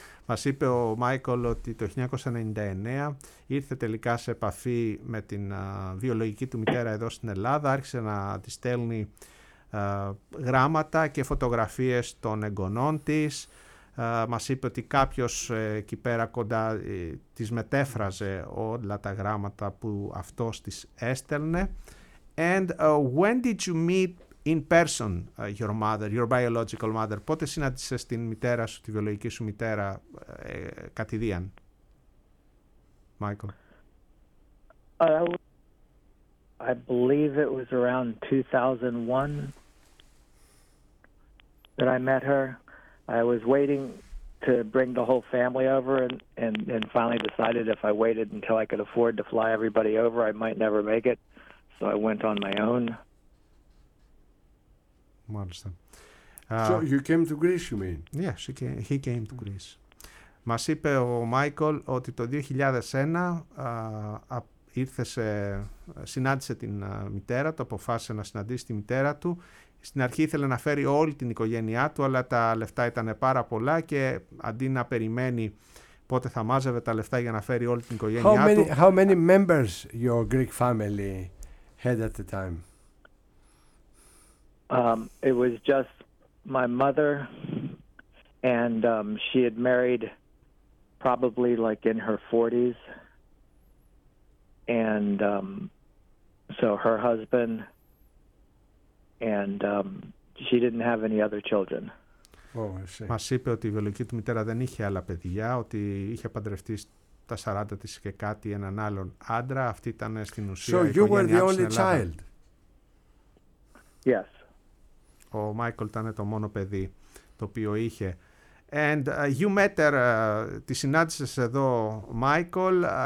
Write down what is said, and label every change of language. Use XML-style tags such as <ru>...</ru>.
<el>Μας είπε ο Μάικολ ότι το 1999 ήρθε τελικά σε επαφή με την βιολογική του μητέρα εδώ στην Ελλάδα, άρχισε να τη στέλνει γράμματα και φωτογραφίες των εγγονών της. Μας είπε ότι κάποιος εκεί πέρα κοντά της μετέφραζε όλα τα γράμματα που αυτός της έστελνε.</el> <en>And when did you meet in person your mother, your biological mother?</en> <el>Πότε συνάντησες την μητέρα σου, τη βιολογική σου μητέρα, κατηδίαν, Μάικλ?</el> <en>I believe it was around 2001 that I met her. I was waiting to bring the whole family over, and finally decided if I waited until I could afford to fly everybody over, I might never make it. So I went on my own.</en> <el>Μάλιστα.</el> <en>So you came to Greece, you mean? Yes, he came to Greece.</en> <el>Μας είπε ο Μάικολ ότι το 2001 συνάντησε την μητέρα του, αποφάσισε να συναντήσει τη μητέρα του. Στην αρχή ήθελε να φέρει όλη την οικογένειά του, αλλά τα λεφτά ήταν πάρα πολλά και αντί να περιμένει πότε θα μάζευε τα λεφτά για να φέρει όλη την οικογένειά του.</el> <en>How many members your Greek family had at the time? It was just my mother, and she had married probably like in her 40s, and so her husband, and she didn't have any other children.</en> <el>Μας είπε ότι η βιολογική του μητέρα δεν είχε άλλα παιδιά, ότι είχε παντρευτεί τα 40 της και κάτι έναν άλλον άντρα. Αυτή ήταν στην ουσία η οικογένειά της στην Ελλάδα.</el> <en>Yes.</en> <el>Ο Μάικολ ήταν το μόνο παιδί το οποίο είχε.</el> <en>And you met her,</en> <el>τη συνάντησες εδώ, Μάικολ.</el>